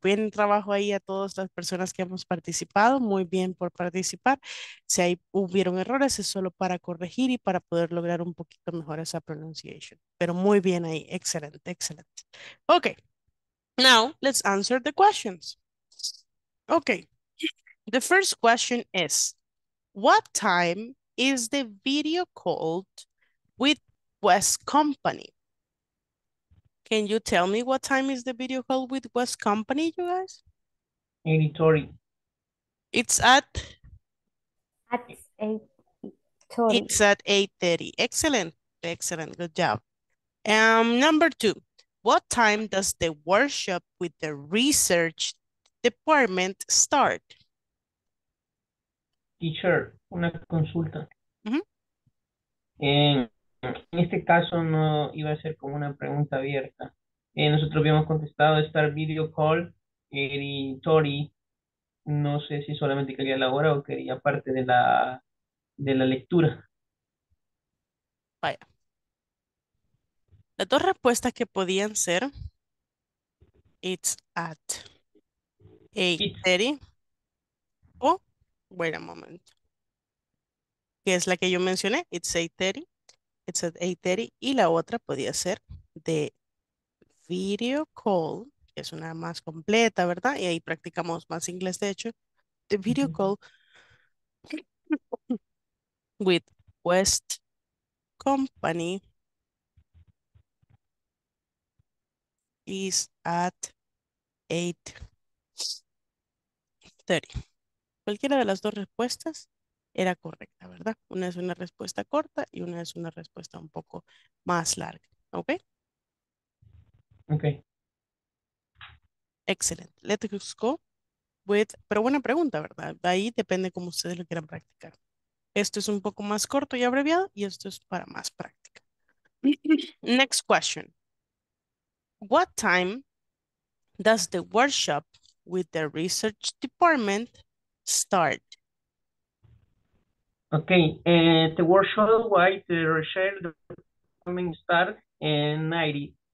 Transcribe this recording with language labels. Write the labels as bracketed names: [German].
[Spanish] Bien trabajo ahí a todas las personas que hemos participado. Muy bien por participar. Si ahí hubieron errores, es solo para corregir y para poder lograr un poquito mejor esa pronunciation. Pero muy bien ahí. Excelente, excelente. Ok. [English] Now, let's answer the questions. Okay. The first question is, what time is the video called with West Company? Can you tell me what time is the video call with West Company, you guys? Editori. It's at? At 8:30. It's at 8:30. Excellent. Excellent. Good job. Number two, what time does the workshop with the research department start? [Spanish] Teacher, una consulta. Mm-hmm. En este caso no iba a ser como una pregunta abierta. Nosotros habíamos contestado estar video call, editori. No sé si solamente quería la hora o quería parte de la lectura. Vaya. Las dos respuestas que podían ser, [English] it's at 8:30. Oh, wait a moment. [Spanish] Que es la que yo mencioné, [English] it's 8:30. It's at 8:30. [Spanish] Y la otra podía ser [English] the video call, [Spanish] que es una más completa, ¿verdad? Y ahí practicamos más inglés, de hecho. [English] The video call with West Company is at 8:30. [Spanish] Cualquiera de las dos respuestas era correcta, ¿verdad? Una es una respuesta corta y una es una respuesta un poco más larga, ¿ok? [English] Ok. [Spanish] Excelente. [English] Let's go with, [Spanish] pero buena pregunta, ¿verdad? Ahí depende cómo ustedes lo quieran practicar. Esto es un poco más corto y abreviado y esto es para más práctica. [English] Next question. What time does the workshop with the research department start? Okay, the workshop with the research department start at 90.